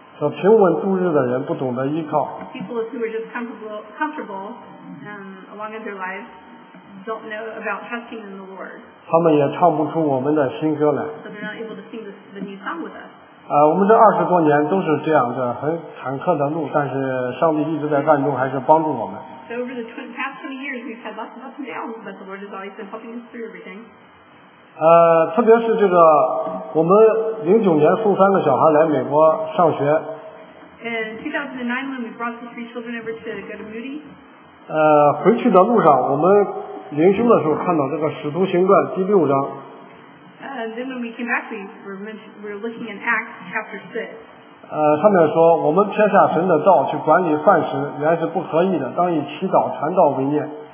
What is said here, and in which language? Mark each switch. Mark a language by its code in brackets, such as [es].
[zh] 说平稳度日的人不懂得依靠。 [en] People who are just comfortable along in their lives don't know about trusting in the Lord. [zh] 他们也唱不出我们的新歌来。 [en] So they're not able to sing the new song with us. [zh] 我们这二十多年都是这样的很坎坷的路，但是上帝一直在暗中还是帮助我们。 [en] So over the past 20 years, we've had lots of ups and downs, but the Lord has always been helping us through everything. [zh] 特别是这个我们09年送三个小孩来美国上学。 [en] In 2009, when we brought the three children over to go to Moody. [zh] 回去的路上我们灵修的时候看到这个使徒行传第六章。 [en] Then when we came back, we were looking at Acts chapter 6. [zh] 上面说我们撇下神的道去管理饭食原是不合意的，当以祈祷传道为念。